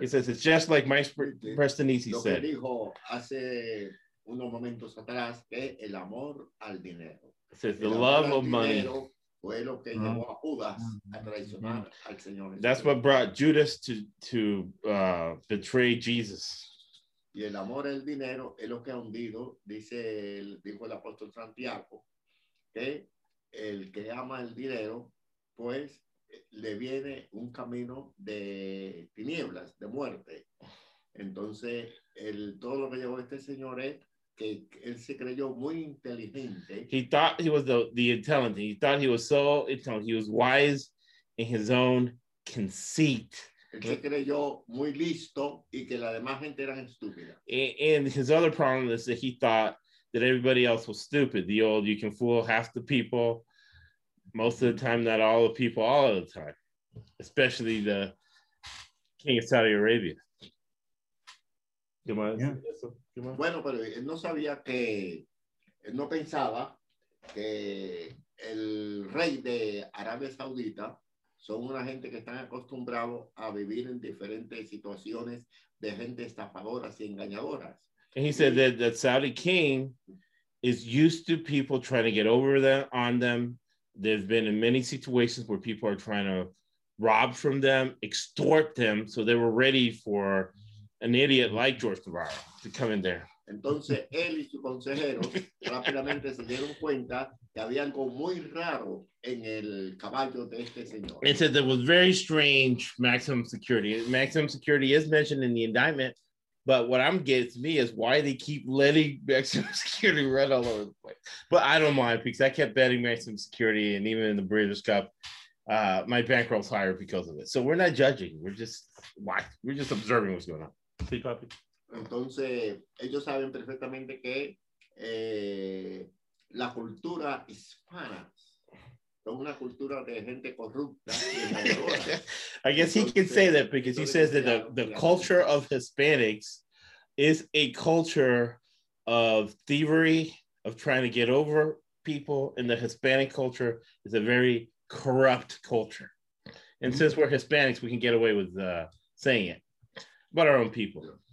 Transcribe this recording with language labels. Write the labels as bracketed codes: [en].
[en] he says it's just like Mike Prestonisi said. [es] Lo que dijo hace unos momentos atrás que el amor al dinero. [en] It says the love of money. [es] Fue lo que llevó a Judas a traicionar al Señor. [en] That's what brought Judas to betray Jesus. [es] Y el amor al dinero es lo que ha hundido, dijo el apóstol Santiago, que el que ama el dinero, pues le viene un camino de tinieblas, de muerte. Entonces, todo lo que llevó este señor es que él se creyó muy inteligente. [en] He thought he was the intelligent. He thought he was so intelligent. He was wise in his own conceit. [es] Él se creyó muy listo y que la demás gente era estúpida. [en] And his other problem is that he thought that everybody else was stupid. The old, you can fool half the people. Most of the time, not all the people, all of the time, especially the king of Saudi Arabia. [es] Bueno, pero él no sabía que, él no pensaba que el rey de Arabia Saudita son una gente que están acostumbrados a vivir en diferentes situaciones de gente estafadoras y engañadoras. [en] And he said that the Saudi king is used to people trying to get over them, on them. There's been in many situations where people are trying to rob from them, extort them, so they were ready for an idiot like George Navarro to come in there. [es] Entonces, él y su consejero rápidamente se dieron cuenta que había algo muy raro en el caballo de este señor. [en] It said there was very strange maximum security. Maximum security is mentioned in the indictment, but what I'm getting to me is why they keep letting maximum security run all over the place. But I don't mind because I kept betting maximum security, and even in the Breeders' Cup, my bankroll's higher because of it. So we're not judging. We're just observing what's going on. [es] Sí, papi. Entonces, ellos saben perfectamente que la cultura hispana es una cultura de gente corrupta. [en] I guess he can say that because he says that the culture of Hispanics is a culture of thievery, of trying to get over people, and the Hispanic culture is a very corrupt culture. And since we're Hispanics, we can get away with saying it about our own people.